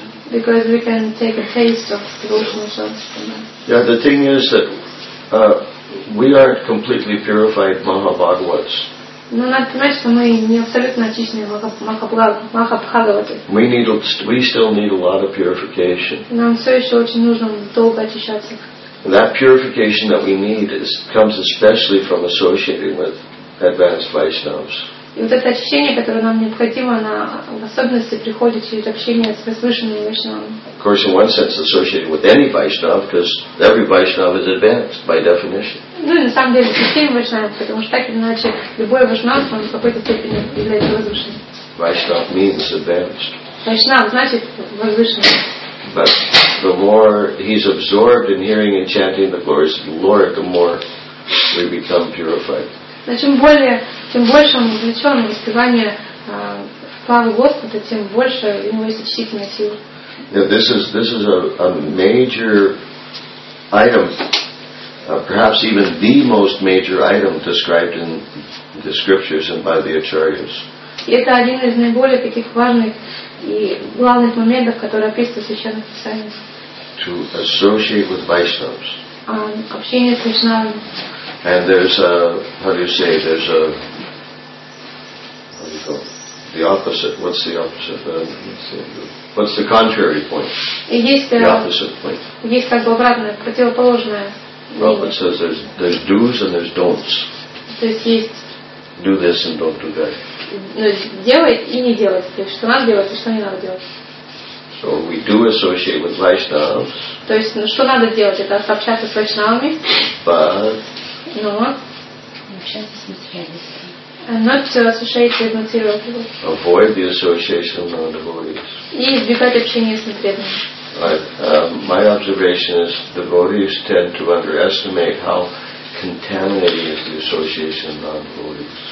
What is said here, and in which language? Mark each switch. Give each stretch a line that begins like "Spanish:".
English: Because we can take a taste of devotional service. Yeah, the thing is that we aren't completely purified Mahabhagavats.
Russian: Но надо понимать, что мы не абсолютно очищенные Махабхагаваты.
English: We still need a lot of purification.
Russian: Нам все еще очень нужно долго очищаться.
English: And that purification that we need comes especially from associating with advanced Vaishnavas.
Russian: И вот это очищение, которое нам необходимо, оно в особенности приходит через общение с возвышенными вайшнавами.
English: Of course, in one sense, associated with any Vaishnava, because every Vaishnava is advanced by definition.
Russian: Ну, на самом деле, со всеми вайшнавами, потому что так или иначе, любой вайшнав, он в какой-то степени является возвышенным.
English: Vaishnava means advanced.
Russian: Vaishnava значит возвышенный.
English: But the more he's absorbed in hearing and chanting the glories of the Lord, the more we become purified.
Russian: Но чем более, тем больше он увлечен в воспевание славы Господа, тем больше у него есть очистительная сила.
English: Now this is a major item, perhaps even the most major item described in the scriptures and by the acharyas.
Russian: И это один из наиболее таких важных и главных моментов, которые описывают священное писание.
English: To associate with Vaishnavas.
Russian: Общение с Вайшнавами.
English: And there's a, how do you say, there's a, what do you call it? The opposite, what's the opposite? What's the contrary point?
Russian: Есть,
English: the opposite point.
Russian: Есть как бы обратное, противоположное.
English: Well, it says there's do's and there's don'ts.
Russian: То есть есть.
English: Do this and don't do that.
Russian: Делать и не делать. То есть что надо делать и что не надо делать.
English: So we do associate with Vaishnavas.
Russian: То есть что надо делать, это сообщаться с Вайшнавами.
English: But...
Russian: Но общаться с материалистами.
English: Avoid the association of non-devotees.
Russian: И избегать общения с непреданными.
English: My observation is devotees tend to underestimate how contaminating is the association of non-devotees.